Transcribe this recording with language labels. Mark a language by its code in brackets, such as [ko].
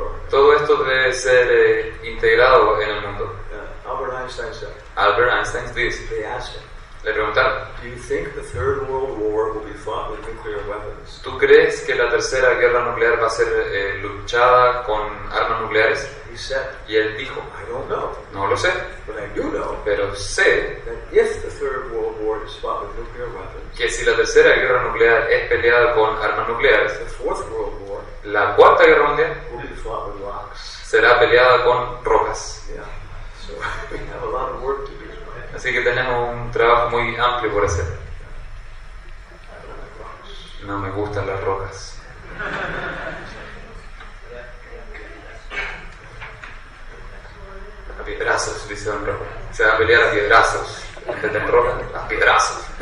[es] Todo esto debe ser integrado en el mundo. [en] Albert Einstein said. [es] Albert Einstein dice. [en] They asked him. [es] Le preguntaron. [en] Do you think the Third World War will be fought with nuclear weapons? [es] ¿Tú crees que la tercera guerra nuclear va a ser luchada con armas nucleares? [en] He said. [es] Y él dijo. [en] I don't know. [es] No lo sé. [en] But I do know. [es] Pero sé. [en] That if the Third World War is fought with nuclear weapons. [es] Que si la tercera guerra nuclear es peleada con armas nucleares. [en] The Fourth World War. [es] La cuarta guerra mundial. [en] Will be fought with rocks. [es] Será peleada con rocas. [en] Yeah. So we have a lot of work to do. [es] Así que tenemos un trabajo muy amplio por hacer. No me gustan las rocas. A piedrazos, dice Don Rojo. Se va a pelear a piedrazos. Antes de roca, a piedrazos.